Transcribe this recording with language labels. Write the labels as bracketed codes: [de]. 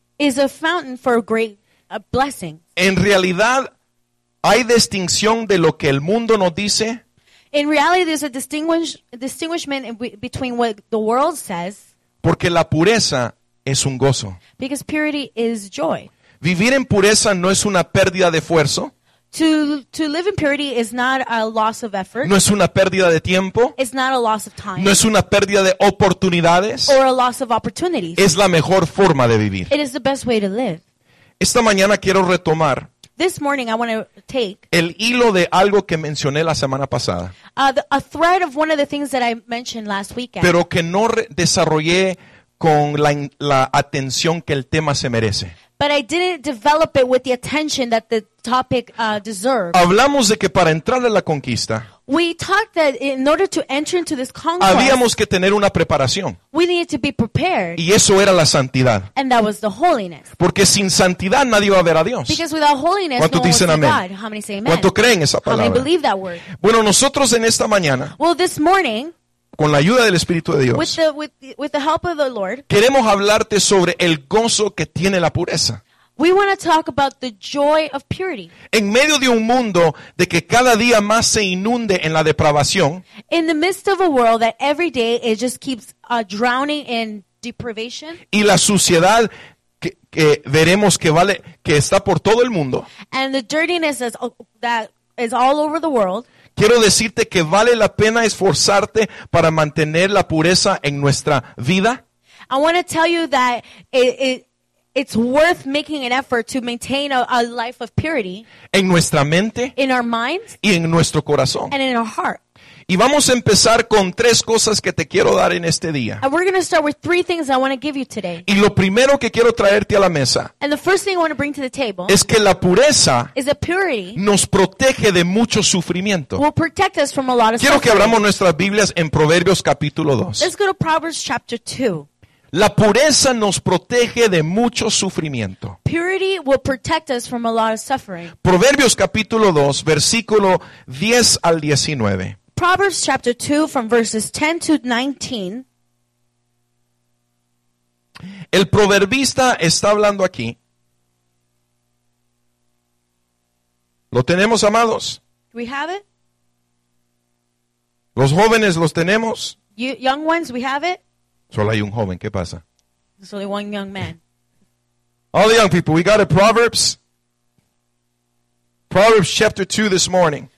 [en] Is a fountain for great blessing. [es] En realidad, hay distinción de lo que el mundo nos dice. [en] In reality, there's a distinguishment between what the world says. [es] Porque la pureza es un gozo. [en] Because purity is joy. [es] Vivir en pureza no es una pérdida de esfuerzo. [en] To live in purity is not a loss of effort. [es] No es una pérdida de tiempo. [en] It's not a loss of time. [es] No es una pérdida de oportunidades. [en] Or a loss of opportunities. [es] Es la mejor forma de vivir. [en] It is the best way to live. [es] Esta mañana quiero retomar. [en] This morning I want to take [es] el hilo de algo que mencioné la semana pasada. [en] A thread of one of the things that I mentioned last weekend. [es] Pero que no desarrollé con la atención que el tema se merece. [en] But I didn't develop it with the attention that the topic deserved. [es] Hablamos de que para entrar a la conquista, [en] we talked that in order to enter into this conquest, [es] habíamos que tener una preparación. [en] We needed to be prepared. [es] Y eso era la santidad. [en] And that was the holiness. [es] Porque sin santidad nadie va a ver a Dios. [en] Because without holiness, no one will see God. How many say amen? [es] ¿Cuánto creen esa palabra? [en] How many believe that word? [es] Bueno, nosotros en esta mañana, [en] well, this morning, [es] con la ayuda del Espíritu de Dios, [en] with the help of the Lord, [es] queremos hablarte sobre el gozo que tiene la pureza. [en] We want to talk about the joy of purity. [es] En medio de un mundo de que cada día más se inunde en la depravación, [en] in the midst of a world that every day it just keeps drowning in depravation, [es] y la suciedad que veremos que vale, que está por todo el mundo, [en] and the dirtiness that is all over the world, [es] Quiero decirte que vale la pena esforzarte para mantener la pureza en nuestra vida. [en] I want to tell you that it's worth making an effort to maintain a life of purity. [es] En nuestra mente. [en] In our minds. [es] Y en nuestro corazón. [en] And in our heart. [es] Y vamos a empezar con tres cosas que te quiero dar en este día. [en] And we're going to start with three things I want to give you today. [es] Y lo primero que quiero traerte a la mesa. [en] And the first thing I want to bring to the table. [es] Es que la pureza. [en] Is that purity. [es] Nos protege de mucho sufrimiento. [en] Will protect us from a lot of [es] quiero [en] suffering. [es] Quiero que abramos nuestras Biblias en Proverbios capítulo 2. [en] Let's go to Proverbs chapter 2. [es] La pureza nos protege de mucho sufrimiento. [en] Purity will protect us from a lot of suffering. [es] Proverbios capítulo 2, versículo 10 al 19. [en] Proverbs chapter 2 from verses 10 to 19. [es] El proverbista está hablando aquí. ¿Lo tenemos, amados? [en] Do we have it? [es] ¿Los jóvenes los tenemos? [en] Young ones, we have it? [es] Solo hay un joven, ¿qué pasa? [en] There's only one young man. All the young people, we got it. Proverbs. Proverbs chapter 2 this morning.